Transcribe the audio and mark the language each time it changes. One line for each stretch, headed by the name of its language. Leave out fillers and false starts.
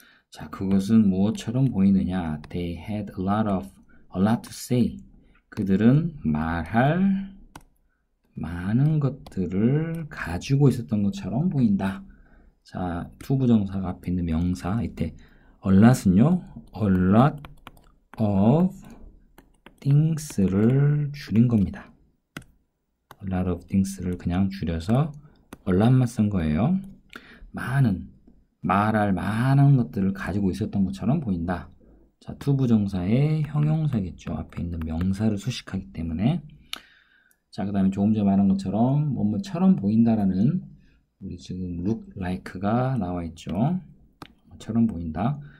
Korean: 자, 그것은 무엇처럼 보이느냐?
English: They had a lot to say.
Korean: 그들은 말할 많은 것들을 가지고 있었던 것처럼 보인다. 자, 투부정사가 앞에 있는 명사. 이때 a lot은요, a lot of things를 줄인 겁니다. a lot of things를 그냥 줄여서 a lot만 쓴 거예요. 많은 말할 많은 것들을 가지고 있었던 것처럼 보인다. 자, 투부정사의 형용사겠죠. 앞에 있는 명사를 수식하기 때문에. 자, 그 다음에 조금 전에 말한 것처럼, 뭐뭐처럼 보인다라는, 우리 지금 look like가 나와 있죠. 뭐처럼 보인다.